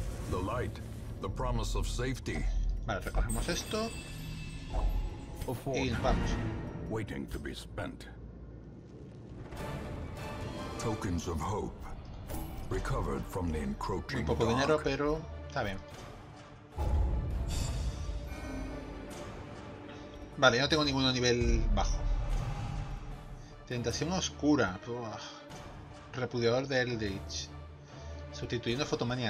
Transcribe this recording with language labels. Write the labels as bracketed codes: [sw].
[en] The light, the promise of safety. [es] Vale, recogemos esto y nos vamos. [en] Waiting to be spent. Tokens of hope recovered from the encroaching. [es] Un poco de dinero, pero está bien. Vale, yo no tengo ninguno a nivel bajo. Tentación oscura. Uf. Repudiador de Eldritch. Sustituyendo fotomanía.